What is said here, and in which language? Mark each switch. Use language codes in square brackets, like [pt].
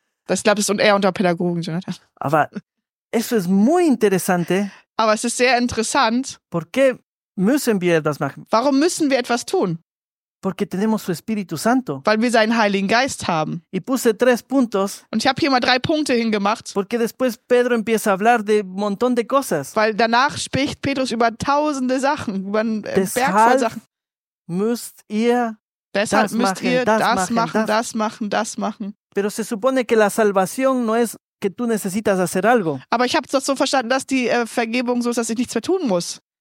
[de] Das glaube ich, und eher unter Pädagogen, Jonathan. Aber es ist [es] muy interesante. [de] Aber es ist sehr interessant. [es] Porque [de] müssen wir das machen? Warum müssen wir etwas tun? [es] Porque tenemos su Espíritu Santo. [de] Weil wir seinen Heiligen Geist haben. [es] Y puse tres puntos. [de] Und ich habe hier mal drei Punkte hingemacht. [es] Porque después Pedro empieza a hablar de montón de cosas. [de] Weil danach spricht Petrus über tausende Sachen, über einen Berg voll Sachen. Deshalb müsst ihr das machen. [es] Pero se supone que la salvación no es que tú necesitas hacer algo. [de] Aber ich habe es doch so verstanden, dass die Vergebung so ist, dass ich nichts mehr tun muss.